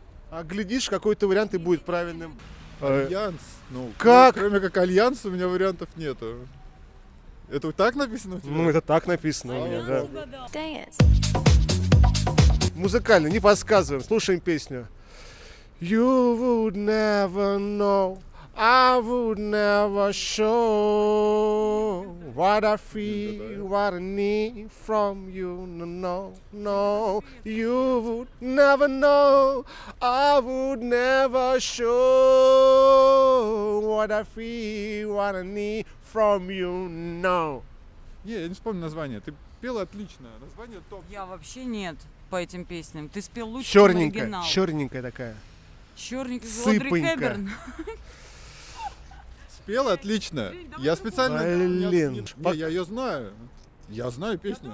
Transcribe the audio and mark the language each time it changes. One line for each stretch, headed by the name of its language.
Russian: А глядишь, какой-то вариант и будет правильным. Альянс. Ну, как? Кроме как альянс, у меня вариантов нету. Это так написано у тебя? Ну, это так написано у меня, а да. Музыкально, не подсказываем. Слушаем песню.
English: You would never know. I would never show what I feel, what I need from you. No, no, no, you would never know. I would never show what I feel, what I need from you. No.
Russian: Не, я не вспомню название. Ты пела отлично. Название топ. Я вообще нет по этим песням. Ты спел лучше, чем оригинал. Черненькая такая. Черненькая. Сыпенькая. Спел отлично. Жень, я специально... Блин. Не, пок... я ее знаю. Я знаю песню.